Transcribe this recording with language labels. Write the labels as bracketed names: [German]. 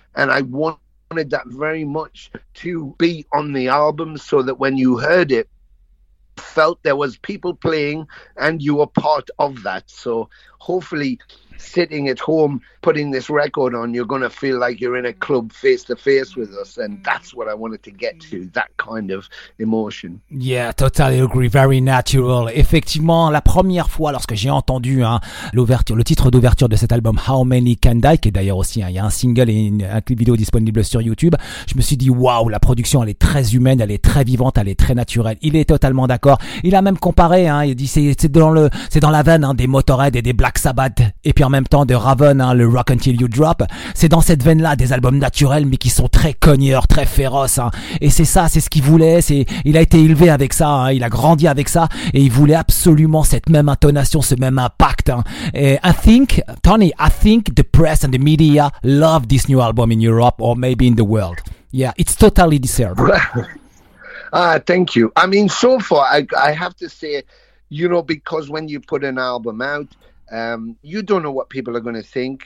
[English] And I wanted that very much to be on the album, so that when you heard it, felt there was people playing and you were part of that. So hopefully, sitting at home putting this record on, you're going to feel like you're in a club face to face with us. And that's what I wanted to get to, that kind of emotion. Yeah, totally agree. Very natural. [French] Effectivement, la première fois lorsque j'ai entendu l'ouverture, le titre d'ouverture de cet album How Many Can Die, qui est d'ailleurs aussi il y a un single et un clip vidéo disponible sur YouTube, je me suis dit waouh, la production elle est très humaine, elle est très vivante, elle est très naturelle. Il est totalement d'accord. Il a même comparé, il dit c'est dans la veine des Motorhead et des Black Sabbath. Et puis en même temps de Raven, le Rock Until You Drop, c'est dans cette veine-là des albums naturels mais qui sont très cogneurs, très féroces. Et c'est ça, c'est ce qu'il voulait. Il a été élevé avec ça, il a grandi avec ça et il voulait absolument cette même intonation, ce même impact. [English] I think the press and the media love this new album in Europe or maybe in the world. Yeah, it's totally deserved. Thank you. I mean, so far, I have to say, you know, because when you put an album out, you don't know what people are going to think.